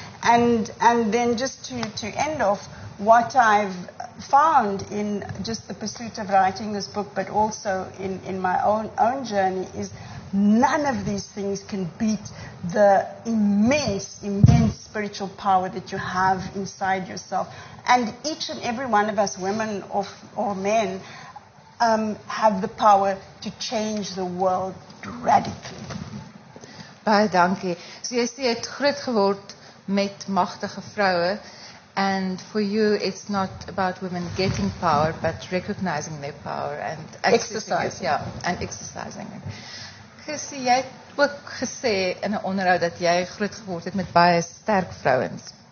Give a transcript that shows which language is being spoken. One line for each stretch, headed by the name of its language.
English: And then just to end off, what I've found in just the pursuit of writing this book, but also in my own journey, is none of these things can beat the immense, immense spiritual power that you have inside yourself. And each and every one of us, women or men, have the power to change the world radically.
Afrikaans: Baie dankie. So jy sê jy het groot geword met magtige vroue.
English: And for you, it's not about women getting power, but recognizing their power and exercising. Yeah, and exercising it.
Afrikaans: Because jy het ook gesê in 'n onderhoud dat jy groot geword het met baie sterk vrouens.